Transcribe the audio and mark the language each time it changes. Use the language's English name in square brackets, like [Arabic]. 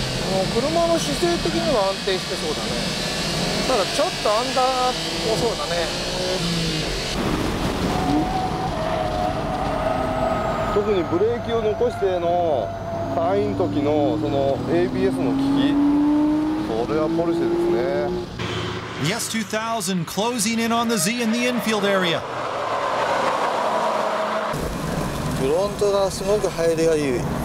[Japanese] もう車の姿勢的には安定してそうだね。ただちょっとアンダーもそうだね。特にブレーキを残してのターンイン時のその ABS の効き、それはポルシェですね。 [English] The S2000 closing in on the Z in the infield area. [Japanese] フロントがすごく入りがいい。